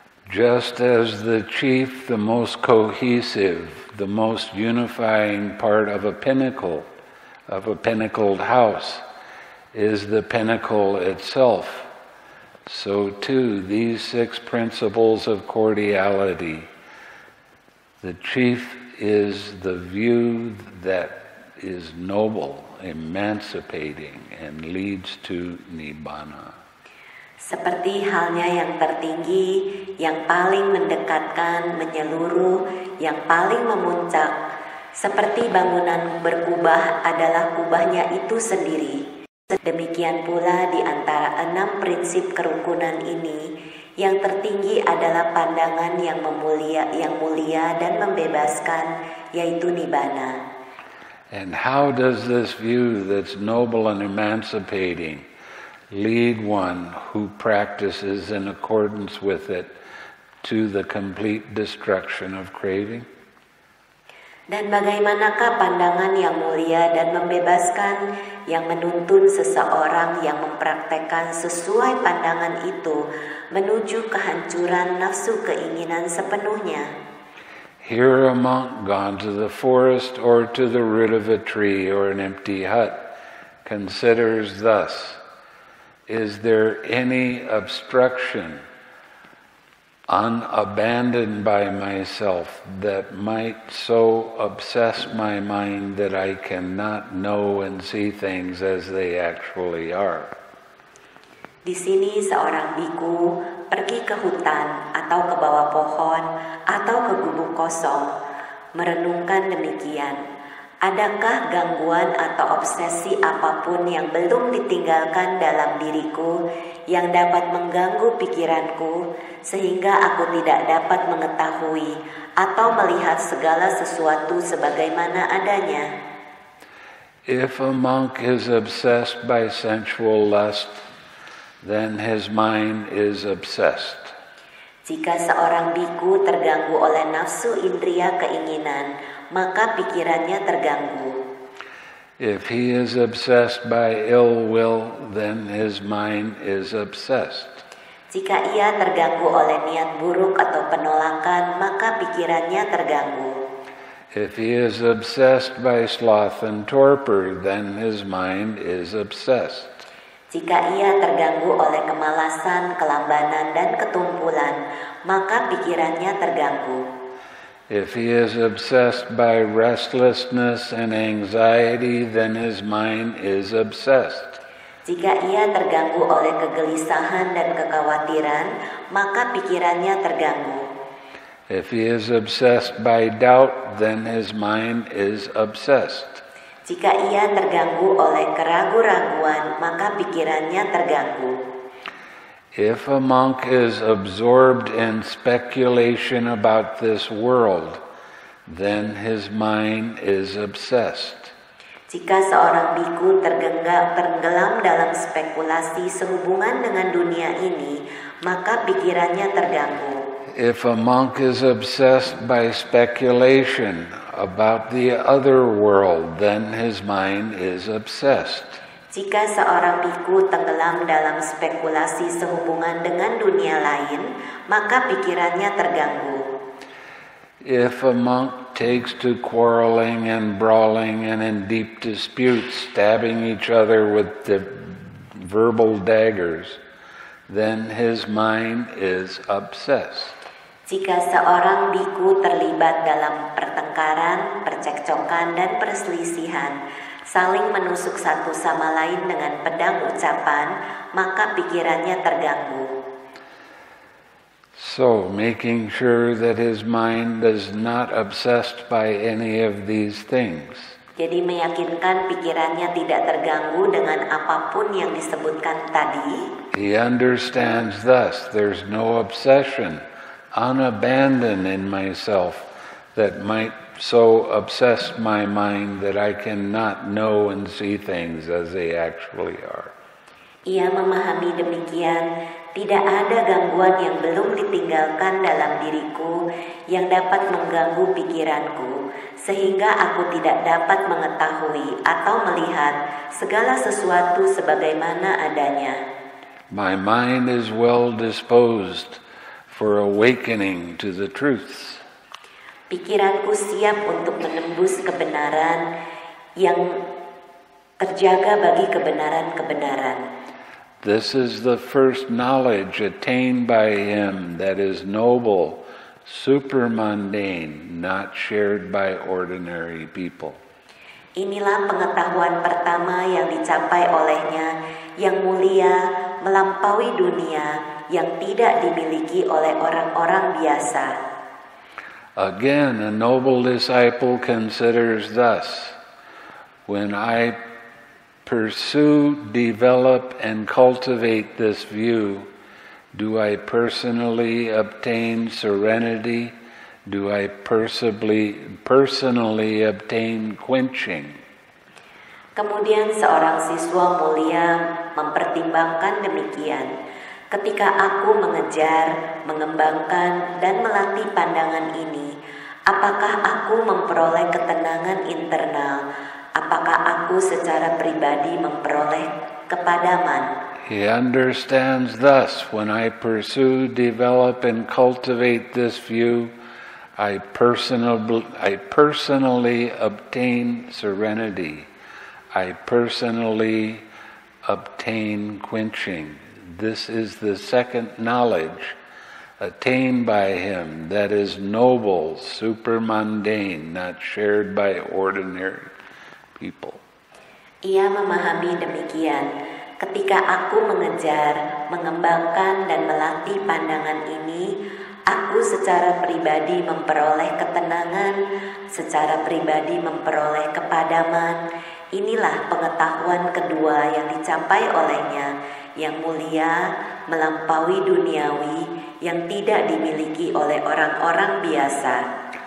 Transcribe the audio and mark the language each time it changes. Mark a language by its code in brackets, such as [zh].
[en] Just as the chief, the most cohesive, the most unifying part of a pinnacle, of a pinnacled house, is the pinnacle itself, so too these six principles of cordiality, the chief is the view that is noble, emancipating, and leads to Nibbana. [id] Seperti halnya yang tertinggi, yang paling mendekatkan, menyeluruh, yang paling memuncak, seperti bangunan berkubah adalah kubahnya itu sendiri. Demikian pula di antara enam prinsip kerukunan ini, yang tertinggi adalah pandangan yang mulia dan membebaskan, yaitu Nibbana. [en] And how does this view that's noble and emancipating lead one who practices in accordance with it to the complete destruction of craving? [id] Dan bagaimanakah pandangan yang mulia dan membebaskan yang menuntun seseorang yang mempraktekkan sesuai pandangan itu menuju kehancuran nafsu keinginan sepenuhnya? [en] Here a monk gone to the forest or to the root of a tree or an empty hut considers thus, is there any obstruction unabandoned by myself that might so obsess my mind that I cannot know and see things as they actually are? [id] Di sini seorang biku pergi ke hutan atau ke bawah pohon atau ke gubuk kosong merenungkan demikian. Adakah gangguan atau obsesi apapun yang belum ditinggalkan dalam diriku yang dapat mengganggu pikiranku sehingga aku tidak dapat mengetahui atau melihat segala sesuatu sebagaimana adanya? [en] If a monk is obsessed by sensual lust, then his mind is obsessed. [id] Jika seorang biku terganggu oleh nafsu indria keinginan, maka pikirannya terganggu. [en] If he is obsessed by ill will, then his mind is obsessed. [id] Jika ia terganggu oleh niat buruk atau penolakan, maka pikirannya terganggu. [en] If he is obsessed by sloth and torpor, then his mind is obsessed. [id] Jika ia terganggu oleh kemalasan, kelambanan, dan ketumpulan, maka pikirannya terganggu. [en] If he is obsessed by restlessness and anxiety, then his mind is obsessed. [id] Jika ia terganggu oleh kegelisahan dan kekhawatiran, maka pikirannya terganggu. [en] If he is obsessed by doubt, then his mind is obsessed. [id] Jika ia terganggu oleh keragu-raguan, maka pikirannya terganggu. [en] If a monk is absorbed in speculation about this world, then his mind is obsessed. [id] Jika seorang biku tergenggam dalam spekulasi sehubungan dengan dunia ini, maka pikirannya terganggu. [en] If a monk is obsessed by speculation about the other world, then his mind is obsessed. [id] Jika seorang biku tenggelam dalam spekulasi sehubungan dengan dunia lain, maka pikirannya terganggu. [en] If a monk takes to quarreling and brawling and in deep disputes, stabbing each other with the verbal daggers, then his mind is obsessed. [id] Jika seorang biku terlibat dalam pertengkaran, percekcokan, dan perselisihan, saling menusuk satu sama lain dengan pedang ucapan, maka pikirannya terganggu. [en] So, making sure that his mind is not obsessed by any of these things. [id] Jadi meyakinkan pikirannya tidak terganggu dengan apapun yang disebutkan tadi. [en] He understands thus, there's no obsession, unabandoned in myself that might so obsess my mind that I cannot know and see things as they actually are. [id] Ia memahami demikian, tidak ada gangguan yang belum ditinggalkan dalam diriku yang dapat mengganggu pikiranku, sehingga aku tidak dapat mengetahui atau melihat segala sesuatu sebagaimana adanya. [en] My mind is well disposed for awakening to the truths. [id] Pikiranku siap untuk menembus kebenaran yang terjaga bagi kebenaran-kebenaran. [en] This is the first knowledge attained by him that is noble, supermundane, not shared by ordinary people. [id] Inilah pengetahuan pertama yang dicapai olehnya, yang mulia, melampaui dunia, yang tidak dimiliki oleh orang-orang biasa. [en] Again, a noble disciple considers thus, when I pursue, develop, and cultivate this view, do I personally obtain serenity? Do I personally obtain quenching? [id] Kemudian seorang siswa mulia mempertimbangkan demikian. Ketika aku mengejar, mengembangkan, dan melatih pandangan ini, apakah aku memperoleh ketenangan internal? Apakah aku secara pribadi memperoleh kepadaman? [en] He understands thus, when I pursue, develop, and cultivate this view, I personally obtain serenity. I personally obtain quenching. This is the second knowledge attained by him that is noble, supermundane, not shared by ordinary people. [id] Ia memahami demikian. Ketika aku mengejar, mengembangkan, dan melatih pandangan ini, aku secara pribadi memperoleh ketenangan, secara pribadi memperoleh kepadaman. Inilah pengetahuan kedua yang dicapai olehnya, yang mulia, melampaui duniawi, yang tidak dimiliki oleh orang-orang biasa.